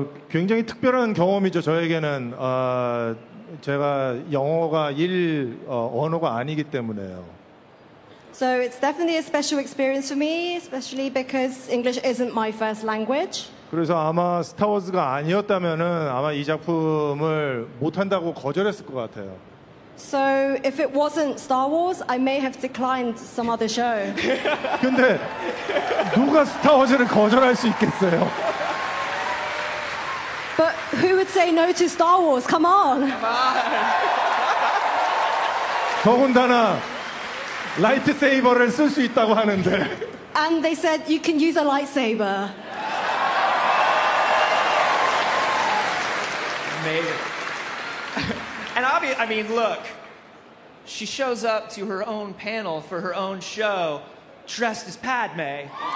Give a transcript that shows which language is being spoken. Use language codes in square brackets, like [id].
[ko] 굉장히 특별한 경험이죠, 저에게는. 제가 영어가 언어가 아니기 때문에요. [en] So it's definitely a special experience for me, especially because English isn't my first language. [ko] 그래서 아마 스타워즈가 아니었다면은 아마 이 작품을 못 한다고 거절했을 것 같아요. [en] So if it wasn't Star Wars, I may have declined some other show. [ko] 근데 누가 스타워즈를 거절할 수 있겠어요? [en] But who would say no to Star Wars? Come on. Come on. [ko] 더군다나 라이트세이버를 쓸 수 있다고 하는데. [en] And they said you can use a lightsaber. Amazing. And obviously, I mean, look, she shows up to her own panel for her own show dressed as Padme.